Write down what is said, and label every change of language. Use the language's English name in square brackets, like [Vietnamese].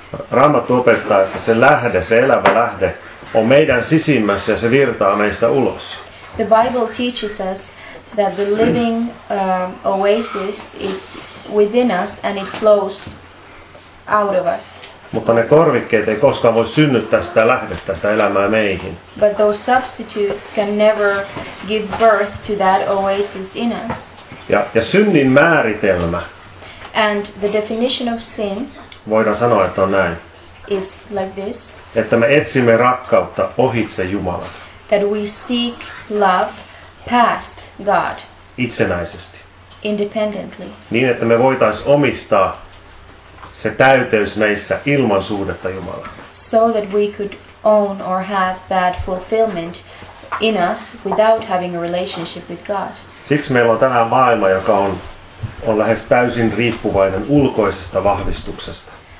[Finnish] Raamattu opettaa, että se lähde, se elävä lähde, on meidän sisimmässä ja se virtaa meistä ulos. [English] The Bible teaches us that the living oasis is within us and it flows out of us. [Finnish] Mutta ne korvikkeet ei koskaan voi synnyttää sitä lähdettä, sitä elämää meihin. [English] But those substitutes can never give birth to that oasis in us. [Finnish] Ja synnin määritelmä. [English] And the definition of sin. [Finnish] Voidaan sanoa, että on näin. [English] Is like this. [Finnish] Että me etsimme rakkautta ohitse Jumalan. [English] That we seek love past God. [Finnish] Itsenäisesti. [English] Independently. [Finnish] Niin, että me voitaisiin omistaa se täyteys meissä ilman suhdetta Jumalaan. [English] So that we could own or have that fulfillment in us without having a relationship with God. [Finnish] Siksi meillä on tänään maailma, joka on lähes täysin riippuvainen ulkoisesta vahvistuksesta.